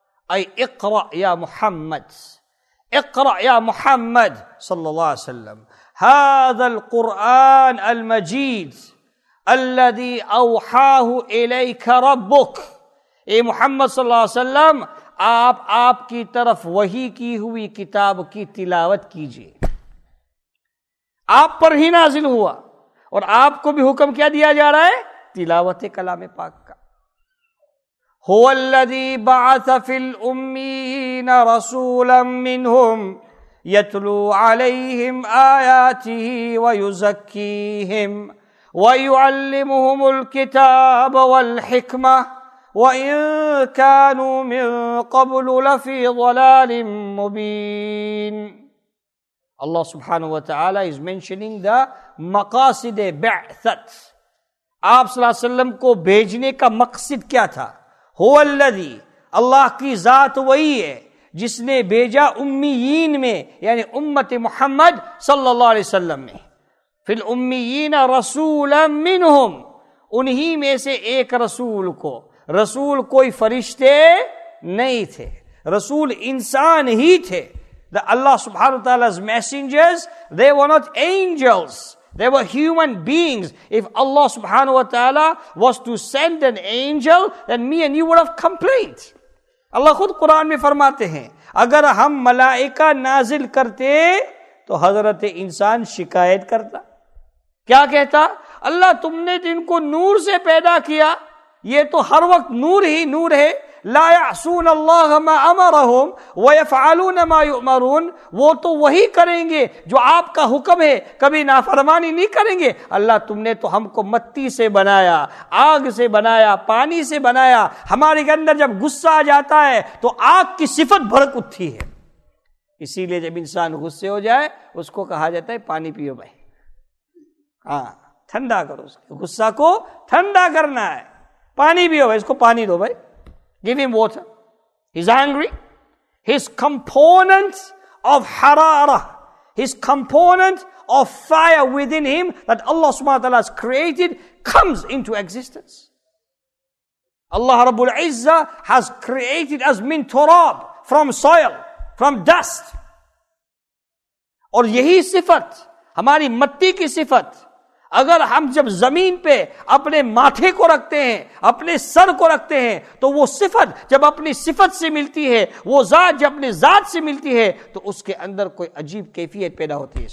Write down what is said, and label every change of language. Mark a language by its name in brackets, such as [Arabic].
[Urdu] اے [Arabic] اقرا یا محمد، اقرا یا محمد [Urdu] صلی اللہ علیہ وسلم، [Arabic] هذا القرآن المجید الذي اوحاه الیک ربک. [Urdu] اے محمد صلی اللہ علیہ وسلم، آپ کی طرف وحی کی ہوئی کتاب کی تلاوت کیجیے. آپ پر ہی نازل ہوا، اور آپ کو بھی حکم کیا دیا جا رہا ہے؟ تلاوت کلام پاک کا. [Arabic] هو الذي بعث في الأمين رسولا منهم يتلو عليهم آياته ويزكيهم ويعلمهم الكتاب والحكمة وَإِن كَانُوا مِن قَبْلُ لَفِي ضَلَالٍ مُبِينٍ. [English] Allah subhanahu wa ta'ala is mentioning the maqasid-e ba'that. [Urdu] آپ صلی اللہ علیہ وسلم کو بھیجنے کا مقصد کیا تھا؟ [Arabic] هُوَ الَّذِي, [Urdu] اللہ کی ذات وہی ہے جس نے بھیجا امیین میں, یعنی امت محمد صلی اللہ علیہ وسلم میں, [Arabic] فِي الْأُمِّيِّينَ رَسُولًا مِّنْهُمْ, [Urdu] انہی میں سے ایک رسول کو. رسول کوئی فرشتے نہیں تھے, رسول انسان ہی تھے. [English] اللہ سبحانہ وتعالیٰ's messengers, they were not angels, they were human beings. If Allah subhanahu wa ta'ala was to send an angel, then me and you would have complained. [Urdu] Allah خود قرآن میں فرماتے ہیں اگر ہم ملائکہ نازل کرتے تو حضرت انسان شکایت کرتا, کیا کہتا, اللہ تم نے جن کو نور سے پیدا کیا یہ تو ہر وقت نور ہی نور ہے. [Arabic] لا يعصون اللہ ما امرهم ويفعلون ما يؤمرون, [Urdu] وہ تو وہی کریں گے جو آپ کا حکم ہے, کبھی نافرمانی نہیں کریں گے. اللہ تم نے تو ہم کو مٹی سے بنایا, آگ سے بنایا, پانی سے بنایا, ہمارے اندر جب غصہ آ جاتا ہے تو آگ کی صفت بھڑک اٹھتی ہے. اسی لیے جب انسان غصے ہو جائے اس کو کہا جاتا ہے پانی پیو بھائی, ہاں ٹھنڈا کرو, اس غصہ کو ٹھنڈا کرنا ہے, پانی پیو بھائی, اس کو پانی دو بھائی. [English] Give him water. He's angry. His component of harara, his component of fire within him that Allah subhanahu wa ta'ala has created comes into existence. Allah Rabbul Izzah has created us [Arabic] min turab, [English] from soil, from dust. [Urdu] اور یہی صفت ہماری مٹی کی صفت, اگر ہم جب زمین پہ اپنے ماتھے کو رکھتے ہیں, اپنے سر کو رکھتے ہیں, تو وہ صفت جب اپنی صفت سے ملتی ہے, وہ ذات جب اپنے ذات سے ملتی ہے, تو اس کے اندر کوئی عجیب کیفیت پیدا ہوتی ہے.